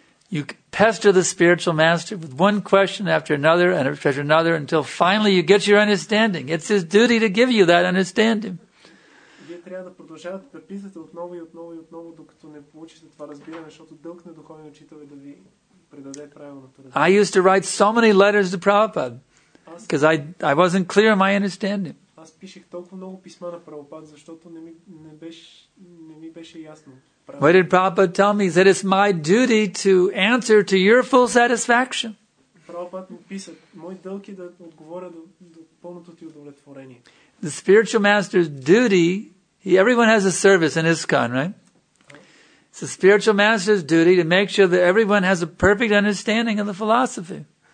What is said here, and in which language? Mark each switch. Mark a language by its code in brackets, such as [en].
[en] You pester the spiritual master with one question after another and after another until finally you get your understanding. It's his duty to give you that understanding. [bg] Трябва да продължавате да питате отново и отново и отново, докато не получите това разбиране, защото дълг на духовния учител е да ви предаде правилното разбиране. [en] I used to write so many letters to Prabhupada because I wasn't clear in my understanding. [bg] Аз пишех толкова много писма на Прабхупад, защото не ми беше ясно. [en] What did Prabhupada tell me? He said, it's my duty to answer to your full satisfaction. [bg] Прабхупад ми писа, мой дълг е да отговоря до пълното ти удовлетворение. [en] The spiritual master's duty, everyone has a service in ISKCON, right? It's the spiritual master's duty to make sure that everyone has a perfect understanding of the philosophy.